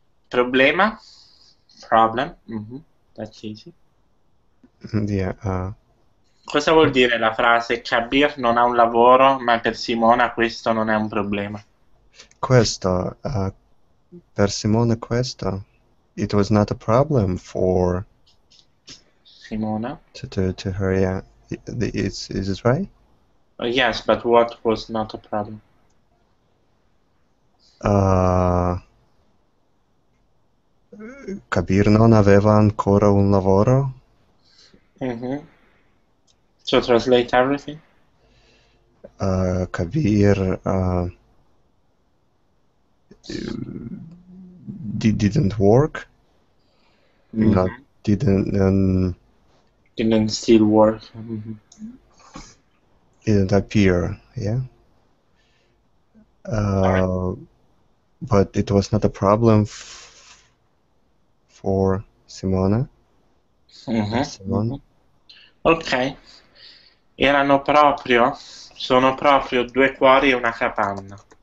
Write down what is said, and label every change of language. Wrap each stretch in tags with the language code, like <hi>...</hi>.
<en>Problema? Problem? That's easy. Yeah,</en> <it>Cosa vuol dire la frase Kabir non ha un lavoro, ma per Simona questo non è un problema? Questo, per Simona questo,</it> <en>it was not a problem for Simona? To her, yeah. Is this right? Yes, but what was not a problem?</en> <it>Kabir non aveva ancora un lavoro?</it> <en>So translate everything. Kabir didn't work. Mm-hmm. Not didn't. Didn't still work. Didn't appear. Yeah. But it was not a problem for Simona. Okay.</en> <it>Erano proprio, sono proprio due cuori e una capanna.</it>